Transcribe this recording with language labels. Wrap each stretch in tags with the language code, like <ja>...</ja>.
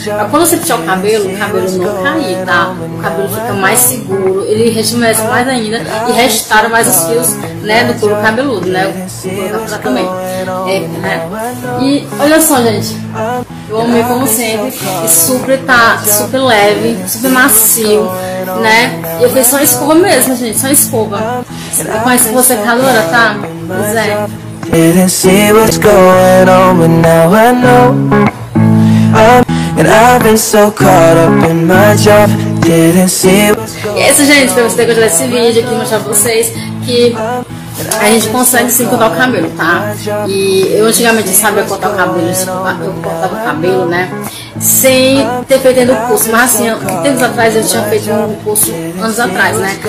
<pt>Mas quando você puxar o cabelo não cair, tá? O cabelo fica mais seguro, ele rejuvenesce mais ainda e restaura mais os fios, né, do couro cabeludo, né? O couro cabeludo também. É, né? E olha só, gente. Eu amei como sempre, e super tá, super leve, super macio, né? E eu fiz só escova mesmo, gente, só escova. Com a escova secadora, tá? Pois é.</pt> <en>Didn't see what's going on, but now I know. And I've been so caught up in my job. Didn't see what's going on.</en> <pt>E é isso, gente, espero que vocês tenham gostado desse vídeo aqui, mostrar pra vocês que a gente consegue sim cortar o cabelo, tá? E eu antigamente sabia cortar o cabelo, eu cortava o cabelo, né? Sem ter feito ainda o curso, mas assim, tempos atrás eu tinha feito um curso, anos atrás, né?</pt>